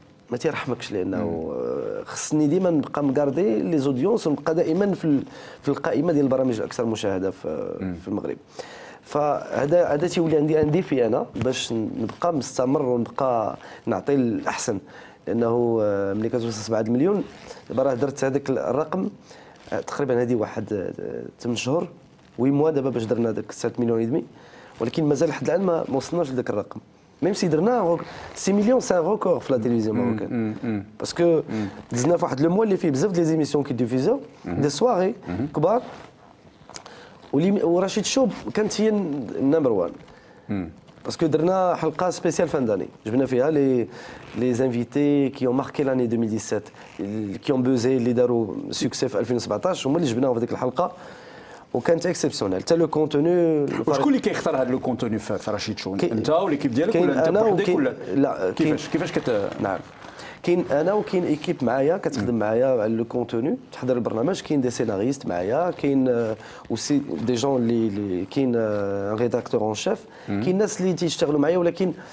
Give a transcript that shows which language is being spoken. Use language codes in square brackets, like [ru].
[ar] ما تيرحمكش لانه خصني ديما نبقى مقاردي لي زوديونس ونبقى دائما في القائمه ديال البرامج الاكثر مشاهده في المغرب فهذا تيولي عندي ان ديفي انا باش نبقى مستمر ونبقى نعطي الاحسن لانه ملي كتوصل 7 مليون دابا راه درت هذاك الرقم تقريبا هذه واحد 8 شهور وي موا دابا باش درنا هذاك 7 مليون و ولكن مازال لحد الان ما وصلناش لذاك الرقم [fr] même si [ar] درنا [fr] 6 millions c'est un record pour la télévision marocaine parce que 19 واحد le mois اللي فيه بزاف des émissions qui diffusent des soirées كبار ورشيد شوب [ar] كانت هي [fr] نمبر 1 parce que [ar] درنا حلقه [fr] spéciale fin d'année [ar] جبنا فيها [fr] les invités qui ont marqué l'année 2017 qui ont buzzé les داروا succès 2017 [ar] هما اللي جبناهم في ديك الحلقه وكانت اكسبسيونيل حتى لو كونتوني شكون اللي كيختار هذا لو كونتوني في رشيد شون انت وليكيب ديالك ولا انت بوحدك ولا لا كيفاش كت نعم كاين انا وكاين ايكيب معايا كتخدم معايا على لو كونتوني تحضر البرنامج كاين دي سيناريست معايا كاين اوسي دي جون اللي كاين ريداكتور اون شيف كاين ناس اللي تيشتغلوا معايا ولكن